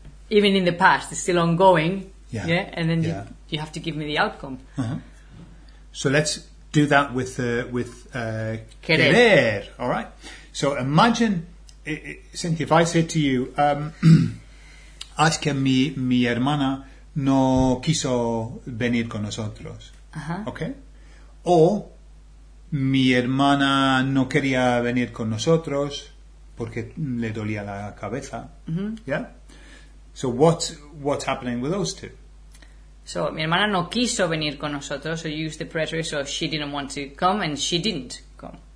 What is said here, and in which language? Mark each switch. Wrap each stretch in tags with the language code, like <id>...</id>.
<en>Even in the past, it's still ongoing. Yeah. And then you have to give me the outcome. Uh-huh. So let's do that with querer. All right. So imagine, Cynthia, if I said to you...</en> <es>es que mi hermana no quiso venir con nosotros. Uh-huh.</es> <en>Okay?</en> <es>O mi hermana no quería venir con nosotros porque le dolía la cabeza. Mm-hmm.</es> <en>Yeah? So what's happening with those two? So</en> <es>mi hermana no quiso venir con nosotros.</es> <en>So you use the preterite, so she didn't want to come and she didn't come.</en>